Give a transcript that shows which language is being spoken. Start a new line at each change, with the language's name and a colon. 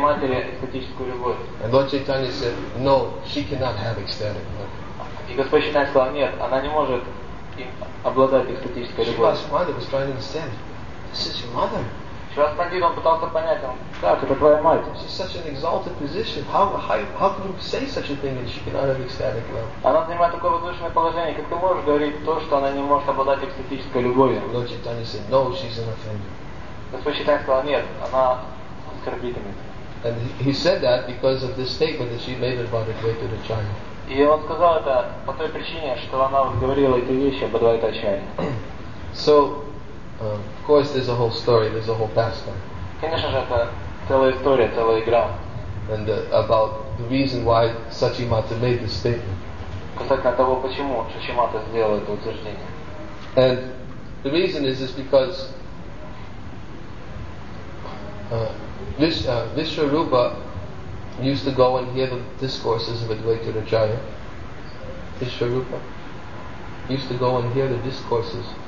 English: And Lord Chaitanya said, no, she cannot have ecstatic love. Srivas Pandit was trying to understand, this is your mother.
Russian: Шивас Пандит, он пытался понять, он, как это твоя мать?
English: She's such an exalted position. How can you say such a thing that she cannot have ecstatic love?
Russian: Она занимает такое возвышенное положение, как ты можешь говорить то, что она не может обладать экстатической любовью?
English: Lord Chaitanya said, no, she's an offender.
Russian: Господь Чайтанья сказал, нет, она оскорбительна.
English: And he said that because of the statement that she made about it way to the China.
Russian: И он сказал это по той причине, что она говорила эти вещи об Адвайта Ачарье.
English: So, of course, there's a whole story, there's a whole pastime.
Russian: Конечно же, это целая история, целая игра.
English: And about the reason why Сачимата made this statement.
Russian: Касательно того, почему Сачимата сделал это утверждение.
English: And the reason is because Vishwarupa used to go and hear the discourses of Advaita Acharya. Vishwarupa used to go and hear the discourses.